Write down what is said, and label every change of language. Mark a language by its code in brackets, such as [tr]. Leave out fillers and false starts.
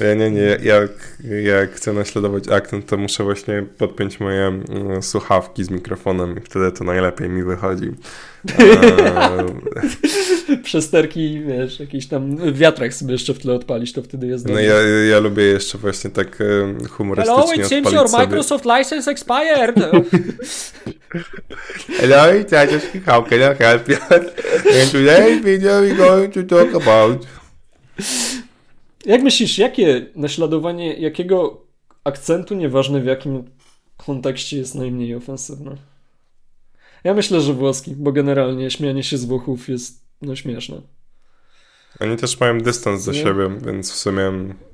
[pl] Nie, jak chcę naśladować akcent, to muszę właśnie podpiąć moje słuchawki z mikrofonem i wtedy to najlepiej mi wychodzi. Przesterki, wiesz, jakiś tam wiatrak sobie jeszcze w tle odpalisz, to wtedy jest. No ja lubię jeszcze właśnie tak humorystycznie odpalić sobie. [en] Hello, it seems your Microsoft license expired. Hello, it's Ajaski, how can I help you? In today's video we're going to talk about... [pl] Jak myślisz, jakie naśladowanie, jakiego akcentu, nieważne w jakim kontekście, jest najmniej ofensywne? Ja myślę, że włoski, bo generalnie śmianie się z Włochów jest no śmieszne. Oni też mają dystans do siebie, więc w sumie...